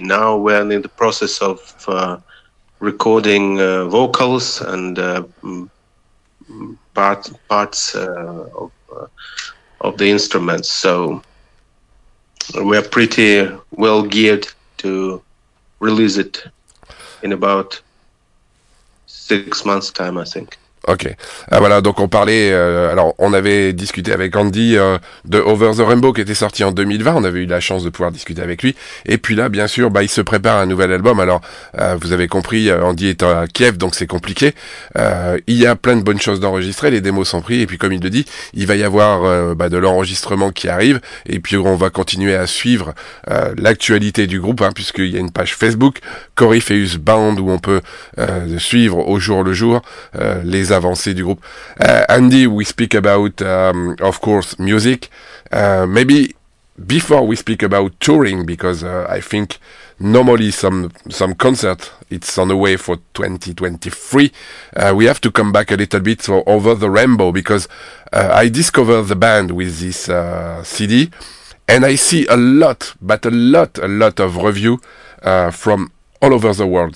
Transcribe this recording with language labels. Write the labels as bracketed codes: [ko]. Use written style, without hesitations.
[en] Now we're in the process of recording vocals and parts of the instruments, so we're pretty well geared to release it in about 6 months' time, I think. [fr] Ok, ah, voilà, donc on parlait, alors on avait discuté avec Andy de Over the Rainbow qui était sorti en 2020, on avait eu la chance de pouvoir discuter avec lui, et puis là bien sûr il se prépare un nouvel album. Alors vous avez compris, Andy est à Kiev, donc c'est compliqué, il y a plein de bonnes choses d'enregistrer, les démos sont prises, et puis comme il le dit, il va y avoir de l'enregistrement qui arrive, et puis on va continuer à suivre l'actualité du groupe, puisqu'il y a une page Facebook, Corypheus Band, où on peut suivre au jour le jour les avancées du groupe. [en] Andy, we speak about, of course, music. Maybe before we speak about touring, because I think normally some concert, it's on the way for 2023. We have to come back a little bit for Over the Rainbow, because I discovered the band with this CD, and I see a lot of review from all over the world.